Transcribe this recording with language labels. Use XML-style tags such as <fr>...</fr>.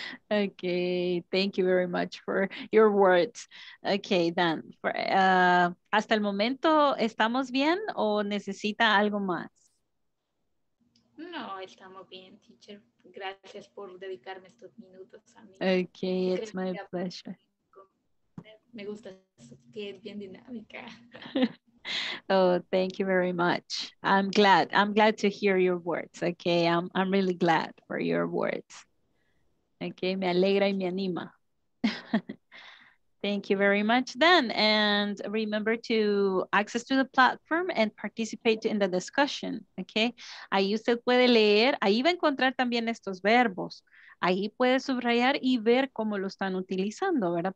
<en>Okay, thank you very much for your words.</en> <es>Okay, Dan, ¿hasta el momento estamos bien o necesita algo más? No, estamos bien, teacher. Gracias por dedicarme estos minutos a mí.</es> <en>Okay, it's my pleasure.</en> <es>Me gusta que es bien dinámica.</es> <en>Oh, thank you very much. I'm glad. I'm glad to hear your words. Okay, I'm really glad for your words. Okay,</en> <es>me alegra y me anima.</es> <en>Thank you very much, Dan. And remember to access to the platform and participate in the discussion.</en> <es>Okay, ahí usted puede leer. Ahí va a encontrar también estos verbos. Ahí puede subrayar y ver cómo lo están utilizando, ¿verdad?</es>